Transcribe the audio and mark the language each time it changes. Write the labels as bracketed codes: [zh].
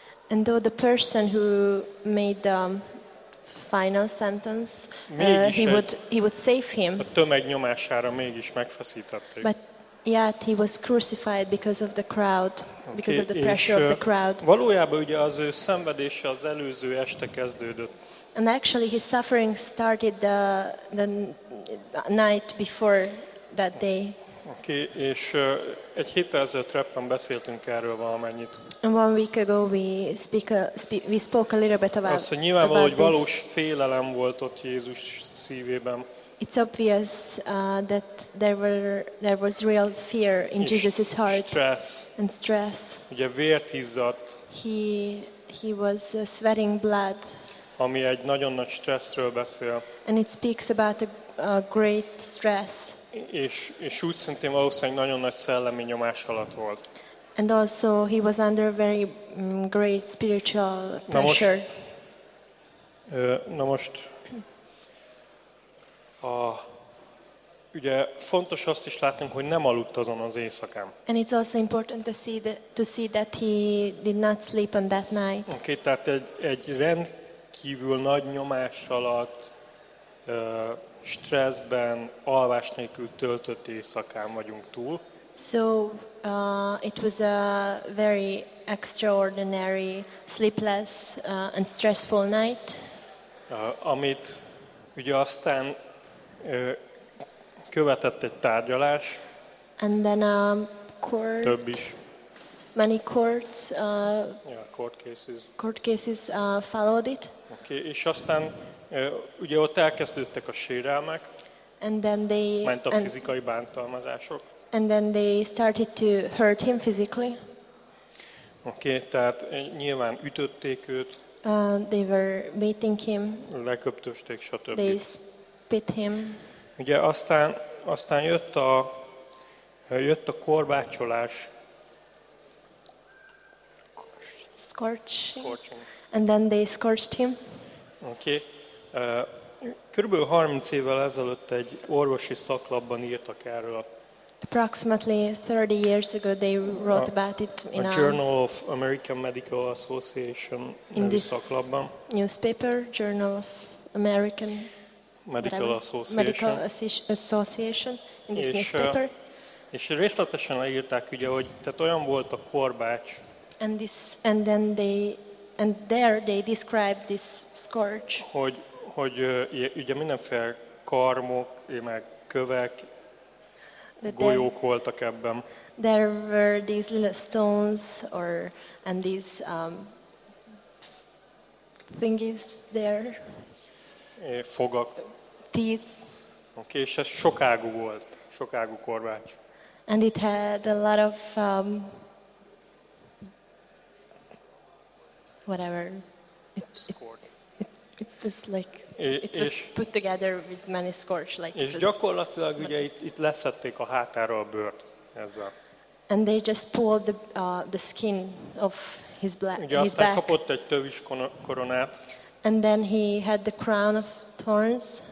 [en] And though the person who made the final sentence, he would save him. [hu] A tömeg nyomására mégis megfeszítették. [en] But yet he was crucified because of the crowd, because of the pressure of the crowd. [hu] Valójában ugye az ő szenvedése az előző este kezdődött. [en] And actually his suffering started the night before that day. [hu] Oké, és egy héttel ezelőtt Treppen beszéltünk erről valamennyit. [en] And one week ago we spoke a little bit about. [hu] Azt, hogy nyilvánvaló, hogy valós félelem volt ott Jézus szívében. [en] It's obvious that there was real fear in Jesus's heart. Stress. And stress. [hu] Ugye vért izzadt. [en] He was sweating blood. [hu] Ami egy nagyon nagy stresszről beszél. [en] And it speaks about a great stress. [hu] És úgy szintén valószínűleg nagyon nagy szellemi nyomás alatt volt. [en] And also he was under a very great spiritual pressure. [hu] Na most ugye fontos azt is látnunk, hogy nem aludt azon az éjszakán. [en] And it's also important to see that he did not sleep on that night. [hu] Oké, tehát egy rendkívül nagy nyomás alatt stresszben, alvás nélkül töltött éjszakán vagyunk túl. [en] So it was a very extraordinary, sleepless and stressful night. [hu] Amit ugye aztán követett egy tárgyalás. [en] And then a court. [hu] Több is. [en] Many courts. Court cases. Court cases followed it. [hu] Okay, és aztán ugye ott elkezdődtek a sérelmek. [en] And then they. [hu] Ment a fizikai bántalmazások. [en] And then they started to hurt him physically. [hu] Oké, tehát nyilván ütötték őt. [en] They were beating him. [hu] Leköptösték, stb. [en] They spit him. [hu] Ugye aztán jött a korbácsolás. [en] Scorching. And then they scorched him. Oké. [hu] Körülbelül 30 évvel ezelőtt egy orvosi szaklapban írtak erről. [en] Approximately 30 years ago they wrote about it in [hu] a Journal of American Medical Association nevű szaklapban. [en] Newspaper Journal of American Medical Association in this newspaper. [hu] És részletesen leírták, ugye, hogy tehát olyan volt a korbács. [en] And there they described this scourge. [hu] Hogy ugye mindenféle karmok, meg kövek, golyók voltak ebben. [en] There were these little stones and these thingies there. [hu] Fogak. [en] Teeth. [hu] Okay, és ez sokágú volt, sokágú korbács. [en] And it had a lot of whatever. It was put together with many scorch. [hu] És gyakorlatilag ugye itt leszették a hátáról a bőrt ezzel. [en] And they just pulled the skin of his back. [hu] Ugye aztán kapott egy tövis koronát. [en] And then he had the crown of thorns.